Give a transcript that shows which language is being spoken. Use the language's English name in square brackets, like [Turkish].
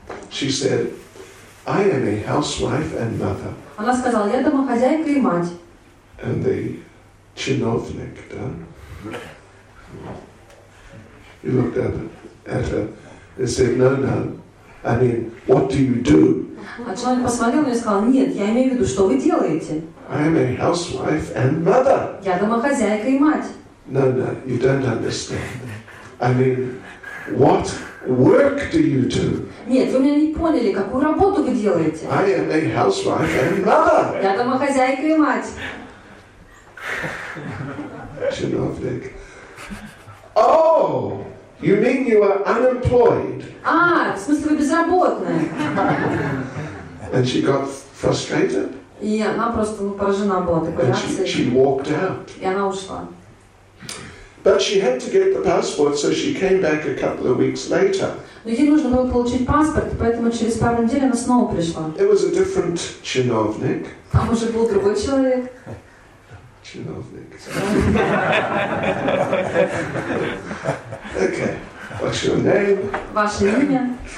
[English] She said, I am a housewife and mother. [Russian] Она сказала, я домохозяйка и мать. [English] And the чиновник, да? He looked up at her and said, no, no, I mean, what do you do? [Russian] А человек посмотрел на нее и сказал, нет, я имею в виду, что вы делаете? [English] I am a housewife and mother. [Russian] Я домохозяйка и мать. [English] No, no, you don't understand. I mean, what work do you do? [Russian] Нет, вы меня не поняли, какую работу вы делаете? [English] I am a housewife and mother. [Russian] Я домохозяйка и мать. [English] Чиновник. Oh, you mean you are unemployed? [Russian] А, в смысле, вы безработная. [English] And she got frustrated. [Russian] И она просто поражена была такой [English] and [Russian] реакцией. [English] She walked out. [Russian] И она ушла. [English] But she had to get the passport, so she came back a couple of weeks later. [Russian] Но ей нужно было получить паспорт, поэтому через пару недель она снова пришла. [English] It was a different чиновник. [Russian] Там уже был другой человек. Чиновник. [English] Okay. What's your name? [Russian] Ваше имя.